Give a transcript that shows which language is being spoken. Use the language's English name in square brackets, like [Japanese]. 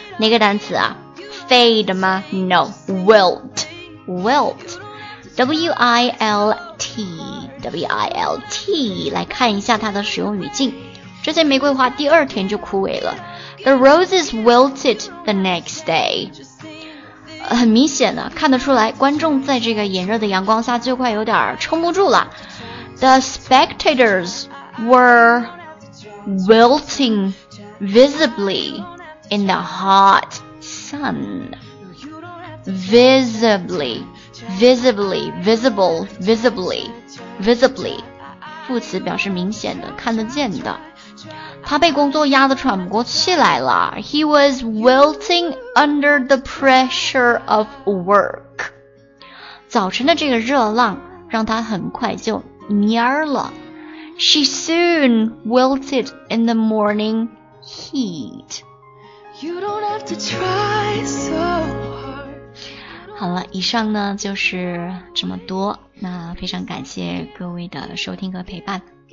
[Chinese] 哪个单词啊 [English] ？fade 吗 ？No， wilt， wilt， w i l t， w i l t。 [Chinese] 来看一下它的使用语境。这些玫瑰花第二天就枯萎了。 [English] The roses wilted the next day. [Chinese] 很明显的，看得出来，观众在这个炎热的阳光下就快有点撑不住了。 [English] The spectators were wilting visibly in the hot sun. Visibly, visibly, visible, visibly, visibly. [Chinese] 副词表示明显的，看得见的。他被工作压得喘不过气来了。 [English] He was wilting under the pressure of work. [Chinese] 早晨的这个热浪让他很快就蔫了。 [English] She soon wilted in the morning heat. You don't have to try so hard. [Chinese] 好了，以上呢就是这么多。那非常感谢各位的收听和陪伴。